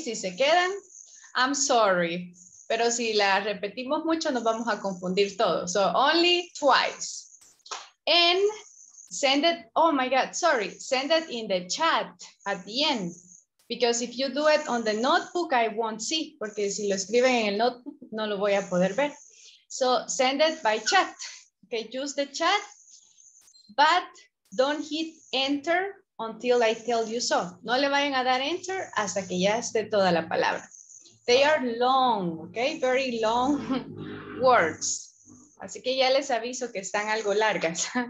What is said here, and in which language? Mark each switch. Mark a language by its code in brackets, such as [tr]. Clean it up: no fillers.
[es] Si se quedan, [en] I'm sorry, [es] pero si la repetimos mucho, nos vamos a confundir todos. [en] So, only twice. And send it, oh my God, sorry, send it in the chat at the end. Because if you do it on the notebook, I won't see. [es] Porque si lo escriben en el notebook, no lo voy a poder ver. [en] So, send it by chat. Okay, use the chat. But don't hit enter until I tell you so. [es] No le vayan a dar enter hasta que ya esté toda la palabra. [en] They are long, okay? Very long words. [es] Así que ya les aviso que están algo largas.